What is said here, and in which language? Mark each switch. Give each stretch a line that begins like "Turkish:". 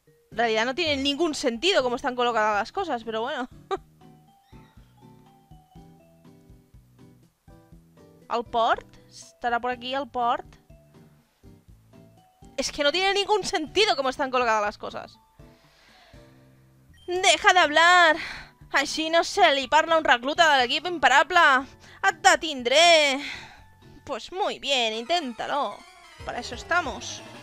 Spanish: En realidad no tiene ningún sentido cómo están colocadas las cosas, pero bueno. ¿Al port? ¿Estará por aquí al port? Es que no tiene ningún sentido cómo están colocadas las cosas. ¡Deja de hablar!
Catalan: Així no sé, li parla un recluta de l'equip imparable. Et detindré.
Spanish: Pues muy bien, inténtalo. Para eso estamos.